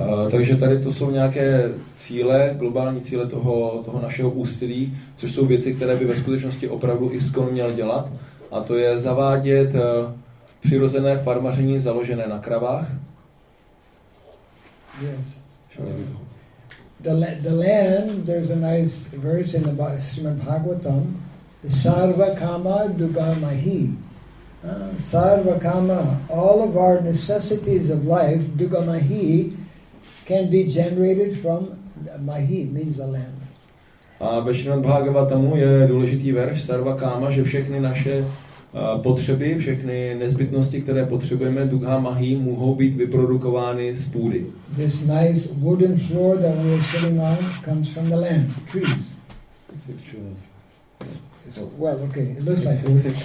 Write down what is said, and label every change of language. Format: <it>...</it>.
<cs>Takže tady to jsou nějaké cíle, globální cíle toho našeho úsilí, což jsou věci, které by ve skutečnosti opravdu ISKCON měl dělat. A to je zavádět přirozené farmaření založené na kravách.</cs> <en>Yes. The land, there's a nice verse in the Srimad Bhagavatam,</en> <sa>sarva kama dugamahi.</sa> <en>Sarva kama, all of our necessities of life, dugamahi, can be generated from mahi, means the land.</en> <cs>A ve Srimad Bhagavatamu je důležitý verš sarva kama, že všechny naše potřeby, všechny nezbytnosti, které potřebujeme, dugha mahi, mohou být vyprodukovány z půdy.</cs> <en>This nice wooden floor that we are sitting on comes from the land, trees. Well, okay, it looks like wood.</en>